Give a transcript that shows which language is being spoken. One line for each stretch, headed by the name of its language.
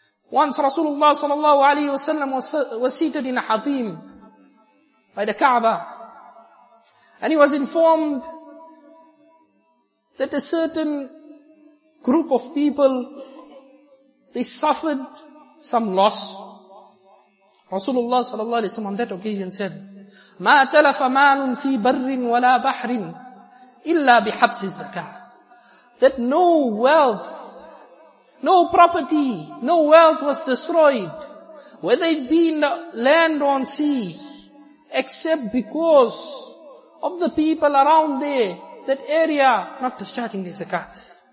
English: Once Rasulullah sallallahu alayhi wa sallam was seated in a hatim by the Kaaba, and he was informed that a certain group of people, they suffered some loss. Rasulullah sallallahu alayhi wa sallam on that occasion said,
Arabic: مَا تَلَفَ مَالٌ فِي بَرٍّ وَلَا بَحْرٍ إِلَّا بِحَبْسِ الزَّكَاةِ.
English: That no wealth, no property, no wealth was destroyed, whether it be in the land or on sea, except because of the people around there, that area, not discharging the zakat.